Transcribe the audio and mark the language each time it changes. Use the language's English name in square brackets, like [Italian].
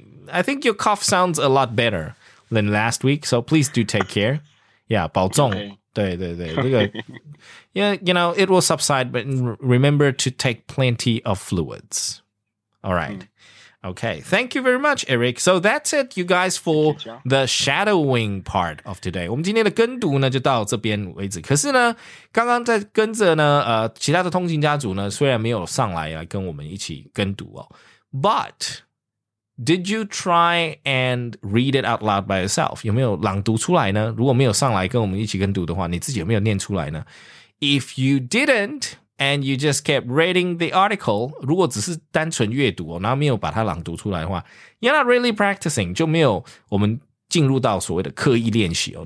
[English] I think your cough sounds a lot better than last week, so please do take care. [Chinese] Yeah, 保重 [English] okay. [Chinese] 对对对、okay. [English] Yeah, you know, it will subside, but remember to take plenty of fluids. All right.、Mm. Okay, thank you very much, Eric. So that's it, you guys, for the shadowing part of today. [Chinese] 我们今天的跟读呢就到这边为止。可是呢，刚刚在跟着呢，其他的通勤家族呢，虽然没有上来跟我们一起跟读哦 ，but... [English] Did you try and read it out loud by yourself? [Chinese] 有没有朗读出来呢？如果没有上来跟我们一起跟读的话，你自己有没有念出来呢？ [English] If you didn't, and you just kept reading the article, [Chinese] 如果只是单纯阅读，然后没有把它朗读出来的话， [English] you're not really practicing, [Chinese] 就没有我们进入到所谓的刻意练习哦。